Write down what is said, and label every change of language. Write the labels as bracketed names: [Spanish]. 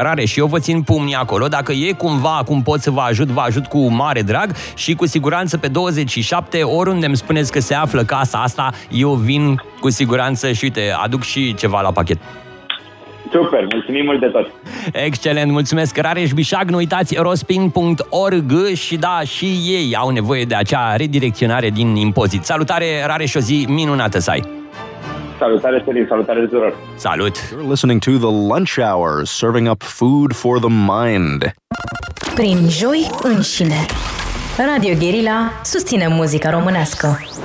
[Romanian] Rare, și eu vă țin pumnii acolo. Dacă e cumva cum pot să vă ajut cu mare drag și cu siguranță pe 27, oriunde îmi spuneți că se află casa asta, eu vin cu siguranță și uite, aduc și ceva la pachet. Super, mulțumim mult de tot. Excelent, mulțumesc, Rareș Bișag. Nu uitați rospin.org și da, și ei au nevoie de acea redirecționare din impozit. Salutare, Rareș, o zi minunată să ai. Salutare, Sorin, salutare tuturor. Salut. [English] You're listening to The Lunch Hour, serving up food for the mind. [Romanian] Prin joi înșine. Radio Guerilla susține muzica românească.